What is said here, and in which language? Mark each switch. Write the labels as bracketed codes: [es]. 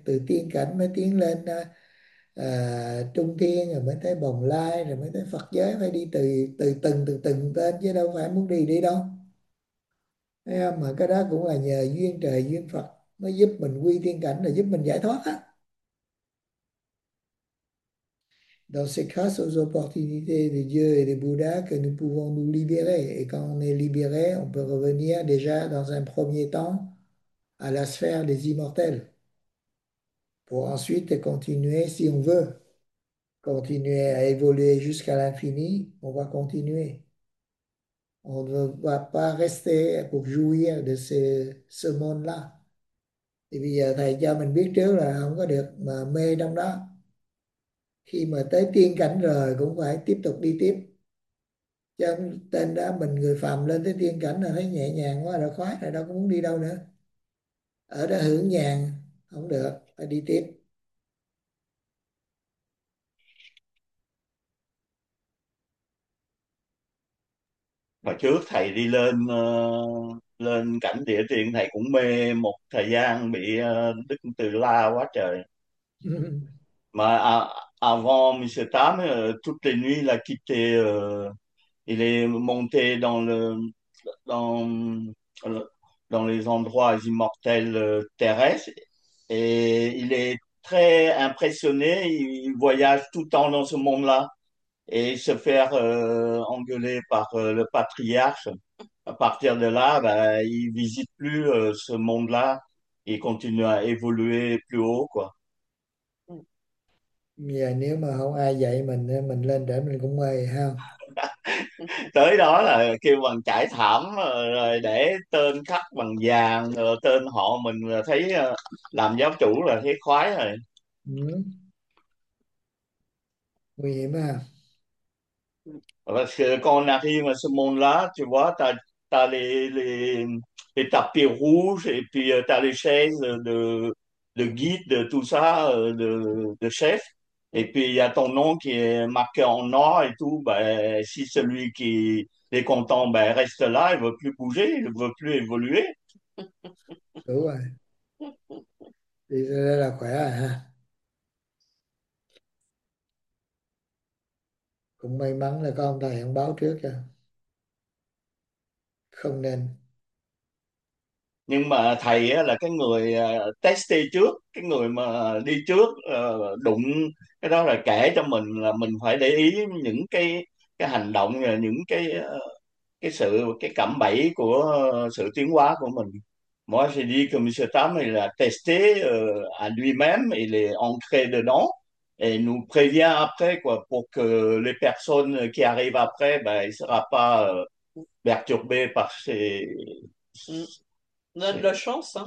[vi] Từ tiên cảnh mới tiến lên Trung Thiên, rồi mới tới Bồng Lai, rồi mới tới Phật giới. Phải đi từ từng tên chứ đâu phải muốn đi đi đâu. Em mà cái đó cũng là nhờ duyên trời duyên Phật nó giúp mình quy tiên cảnh, là giúp mình giải thoát á. [fr] Dans ces cas, aux opportunités de Dieu et de Bouddha que nous pouvons nous libérer. Et quand on est libéré, on peut revenir déjà dans un premier temps à la sphère des immortels. Pour ensuite continuer, si on veut continuer à évoluer jusqu'à l'infini, on va continuer. On ne va pas rester pour jouir de ce monde-là. [vi] Et bây giờ thầy cho mình biết trước là không có được mà mê trong đó. Khi mà tới tiên cảnh rồi cũng phải tiếp tục đi tiếp. Cho tên đó mình người phàm lên tới tiên cảnh là thấy nhẹ nhàng quá rồi, khoái rồi, đâu có muốn đi đâu nữa. Ở đó hưởng nhàn không được, phải đi tiếp. Mà trước thầy đi lên lên cảnh địa tiên thầy cũng mê một thời gian, bị Đức Từ La quá trời. [fr] Mà avant 18 tout est nuit là quitté il est monté dans les endroits immortels terrestres et il est très impressionné, il voyage tout le temps dans ce monde-là. Et se faire engueuler par le patriarche. À partir de là, bah, il visite plus ce monde-là. Il continue à évoluer plus haut, quoi. [vi] Giờ nếu mà không ai dạy mình lên để mình cũng mê ha. Là kêu bằng trải thảm rồi để tên khắc bằng vàng, rồi tên họ mình thấy làm giáo chủ là thấy khoái rồi. Nguy hiểm ha. [fr] Parce que quand on arrive à ce monde-là, tu vois, t'as les tapis rouges et puis t'as les chaises de guide, de tout ça, de chef. Et puis il y a ton nom qui est marqué en or et tout. Ben, si celui qui est content, ben, reste là, il veut plus bouger, il veut plus évoluer. [vi] Đúng rồi. Thì đây là khỏe rồi ha. Cũng may mắn là có ông thầy ông báo trước cho. Không nên. Nhưng mà thầy á, là cái người test trước, cái người mà đi trước đụng cái đó, là kể cho mình là mình phải để ý những cái hành động, những cái sự, cái cạm bẫy của sự tiến hóa của mình. [fr] Moi j'ai dit que Monsieur Tam il a testé à lui-même, il est entré dedans et nous prévient après quoi, pour que les personnes qui arrivent après, ben, ils ne seront pas perturbés par ces On a de la chance, hein.